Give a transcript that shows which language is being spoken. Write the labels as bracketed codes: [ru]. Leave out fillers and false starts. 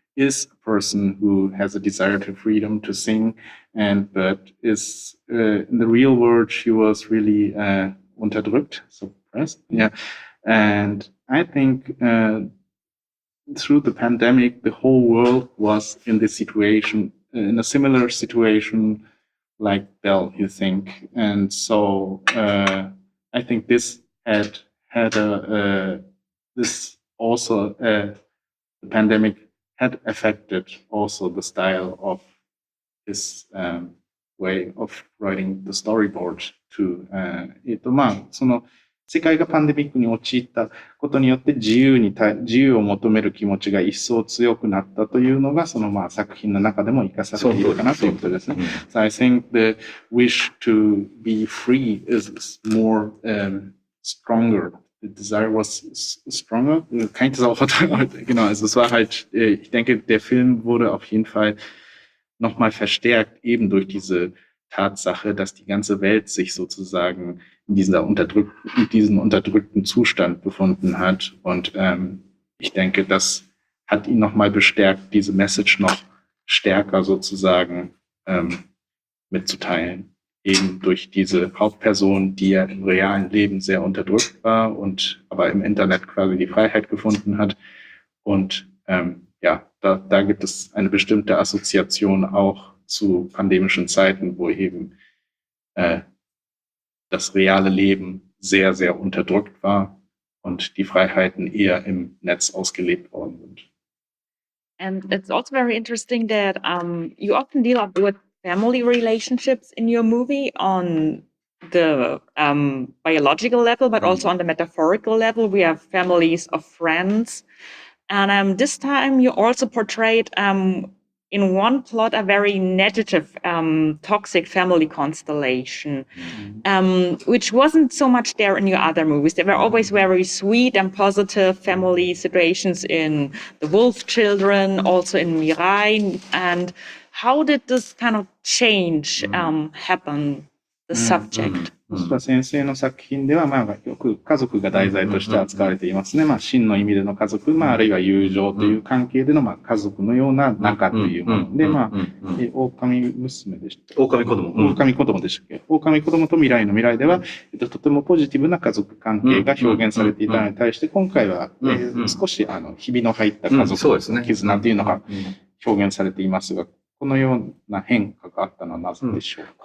[en] is a person who has a desire to freedom to sing, and but is in the real world she was really unterdrückt, suppressed. Yeah, and I think through the pandemic, the whole world was in this situation, in a similar situation like Bell, you think. And so I think this had a this also the pandemic had affected also the style of this way of writing the storyboard to [ja] その世界がパンデミックに陥ったことによって自由を求める気持ちが一層強くなったというのがそのまあ作品の中でも生かされているかなということですね。 [en] So I think the wish to be free is more stronger. The desire was stronger. [de] Kann ich das auch verteidigen? Genau, also es war halt, ich denke, der Film wurde auf jeden Fall nochmal verstärkt, eben durch diese Tatsache, dass die ganze Welt sich sozusagen in diesem unterdrückten Zustand befunden hat. Und ich denke, das hat ihn nochmal bestärkt, diese Message noch stärker sozusagen mitzuteilen. Eben durch diese Hauptperson, die ja im realen Leben sehr unterdrückt war und aber im Internet quasi die Freiheit gefunden hat. Und ja, da gibt es eine bestimmte Assoziation auch zu pandemischen Zeiten, wo eben das reale Leben sehr, sehr unterdrückt war und die Freiheiten eher im Netz ausgelebt worden sind. [en] And it's also very interesting that you often deal up with family relationships in your movie on the biological level, but also on the metaphorical level. We have families of friends. And this time you also portrayed in one plot a very negative toxic family constellation, which wasn't so much there in your other movies. There were always very sweet and positive family situations in The Wolf Children, also in Mirai. And how did this kind of change happen, the subject? [ja] So, 先生の作品では、まあ、よく家族が題材として扱われていますね。まあ、真の意味での家族、まあ、あるいは友情という関係での、まあ、家族のような仲というもので、まあ、狼娘でした。狼子供と未来の未来では、とてもポジティブな家族関係が表現されていたのに対して、今回は、少し、ひびの入った家族の絆というのが表現されていますが、このような変化があったのはなぜでしょうか、